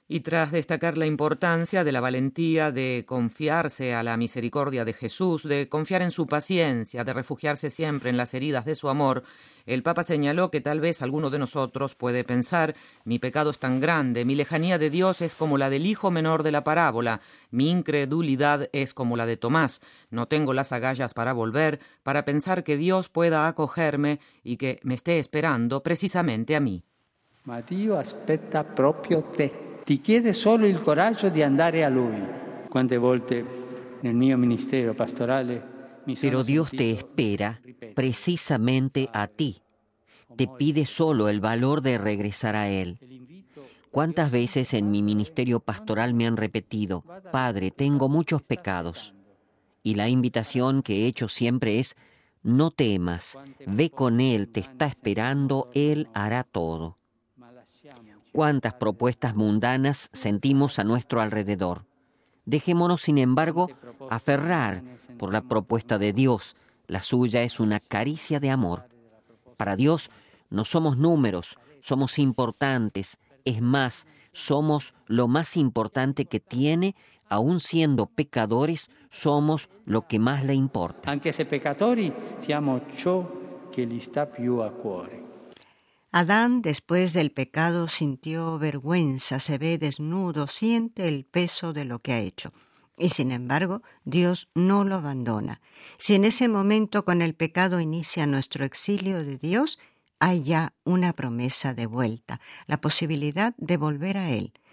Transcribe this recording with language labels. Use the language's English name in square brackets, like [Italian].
[Spanish] Y tras destacar la importancia de la valentía de confiarse a la misericordia de Jesús, de confiar en su paciencia, de refugiarse siempre en las heridas de su amor, el Papa señaló que tal vez alguno de nosotros puede pensar: mi pecado es tan grande, mi lejanía de Dios es como la del hijo menor de la parábola, mi incredulidad es como la de Tomás, no tengo las agallas para volver, para pensar que Dios pueda acogerme y que me esté esperando precisamente a mí. [Italian] Ma Dio aspetta proprio te. Ti chiede solo il coraggio di andare a lui. Quante volte nel mio ministero pastorale mi sono [Spanish] Pero Dios te espera precisamente a ti. Te pide solo el valor de regresar a él. ¿Cuántas veces en mi ministerio pastoral me han repetido: Padre, tengo muchos pecados? Y la invitación que he hecho siempre es: no temas, ve con él, te está esperando, él hará todo. ¿Cuántas propuestas mundanas sentimos a nuestro alrededor? Dejémonos, sin embargo, aferrar por la propuesta de Dios. La suya es una caricia de amor. Para Dios no somos números, somos importantes. Es más, somos lo más importante que tiene. Aun siendo pecadores, somos lo que más le importa. [Italian] Aunque se pecatori, siamo ciò che gli sta più a cuore. [Spanish] Adán, después del pecado, sintió vergüenza, se ve desnudo, siente el peso de lo que ha hecho. Y sin embargo, Dios no lo abandona. Si en ese momento con el pecado inicia nuestro exilio de Dios, hay ya una promesa de vuelta, la posibilidad de volver a Él.